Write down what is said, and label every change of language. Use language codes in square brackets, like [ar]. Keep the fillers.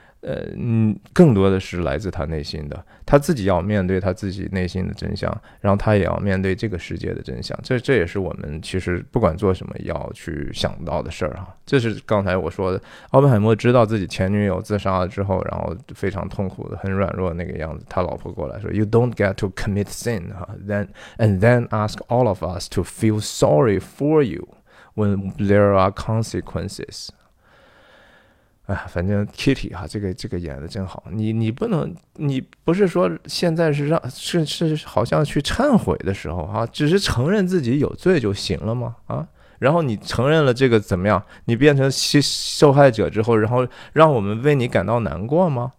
[zh] 呃，嗯，更多的是来自他内心的，他自己要面对他自己内心的真相，然后他也要面对这个世界的真相。这这也是我们其实不管做什么要去想到的事儿哈。这是刚才我说的，奥本海默知道自己前女友自杀了之后，然后非常痛苦的、很软弱那个样子。他老婆过来说：“ [en] You don't get to commit sin, 哈、huh?，then and then ask all of us to feel sorry for you when there are consequences.” [zh] 哎呀，唉反正 Kitty 哈、啊，这个这个演的真好。你你不能，你不是说现在是让是是好像去忏悔的时候啊，只是承认自己有罪就行了吗？啊，然后你承认了这个怎么样？你变成受受害者之后，然后让我们为你感到难过吗？